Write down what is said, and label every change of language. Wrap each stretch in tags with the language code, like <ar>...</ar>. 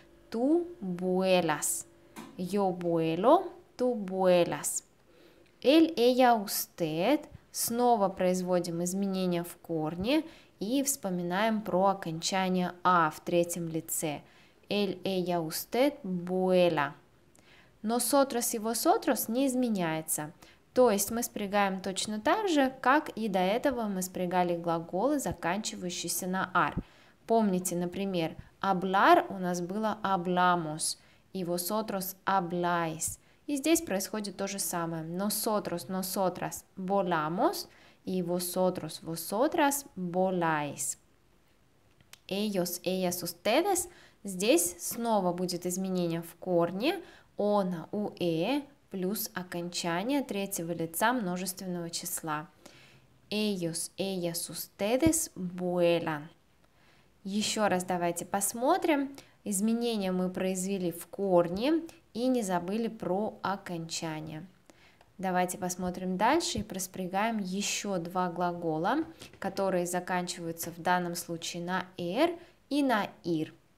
<es>Tú vuelas. Yo vuelo. Tú vuelas. Él, ella, usted.</es> <ru>Снова производим изменения в корне и вспоминаем про окончание «а» в третьем лице.</ru> <es>Él, ella, usted vuela. Nosotros y vosotros</es> <ru>не изменяется. То есть мы спрягаем точно так же, как и до этого мы спрягали глаголы, заканчивающиеся на «ar». Помните, например, hablar у нас было hablamos, и</ru> <es>vosotros habláis.</es> <ru>И здесь происходит то же самое.</ru> <es>Nosotros, nosotras, volamos, и vosotros, vosotras, voláis. Ellos, ellas, ustedes.</es> <ru>Здесь снова будет изменение в корне. О на уэ плюс окончание третьего лица множественного числа.</ru> <es>Ellos, ellas, ustedes, vuelan.</es> <ru>Еще раз давайте посмотрим. Изменения мы произвели в корне и не забыли про окончание. Давайте посмотрим дальше и проспрягаем еще два глагола, которые заканчиваются в данном случае на «er» и на «ir».</ru>